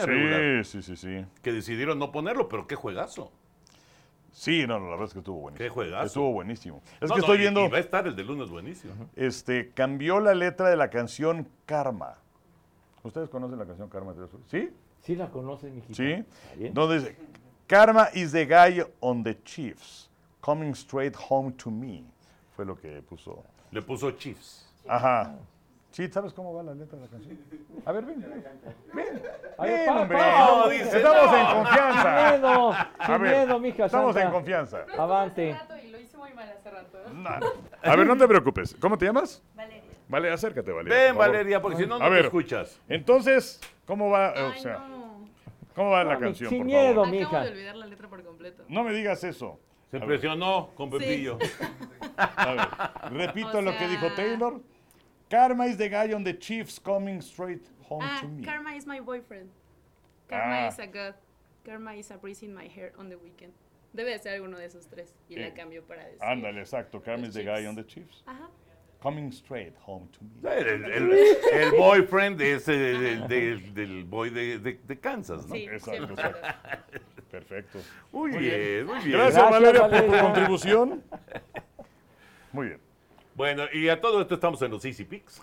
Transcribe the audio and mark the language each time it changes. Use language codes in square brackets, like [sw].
[es] Sí, regular, sí, sí, sí. Que decidieron no ponerlo, pero qué juegazo. Sí, no, la verdad es que estuvo buenísimo. Qué juegazo. Estuvo buenísimo. Es no, que no, estoy viendo... Y va a estar el de lunes buenísimo. Uh-huh. Cambió la letra de la canción Karma. ¿Ustedes conocen la canción Karma? ¿Sí? Sí la conocen, mi hijita. ¿Sí? [en] Donde dice, Karma is the guy on the Chiefs, coming straight home to me. [es] Fue lo que puso. Le puso Chiefs. Ajá. Sí, ¿sabes cómo va la letra de la canción? A ver, ven. Ven, hombre. Estamos en confianza. Sin miedo. Sin miedo, mija. Estamos en confianza. Avante. Lo hice muy mal hace rato. Nah. A ver, no te preocupes. ¿Cómo te llamas? Valeria. Vale, acércate, Valeria. Ven, Valeria, porque si no, no te escuchas. Entonces, ¿cómo va? O sea, ¿cómo va la canción? Sin miedo, mija. Acabo de olvidar la letra por completo. No me digas eso. Se impresionó con Pepillo. A ver, repito lo que dijo Taylor. [en] Karma is the guy on the Chiefs coming straight home to me. Karma is my boyfriend. Karma is a god. Karma is a breeze in my hair on the weekend. [es] Debe de ser alguno de esos tres. Y la cambio para decir. Ándale, exacto. [en] Karma is the guy on the Chiefs. [es] Ajá. [en] Coming straight home to me. [es] El boyfriend es del boy de Kansas, ¿no? Sí, exacto. Sí, perfecto. Muy bien. Gracias Valeria, por tu contribución. Muy bien. Bueno, y a todo esto estamos en los Easy Picks.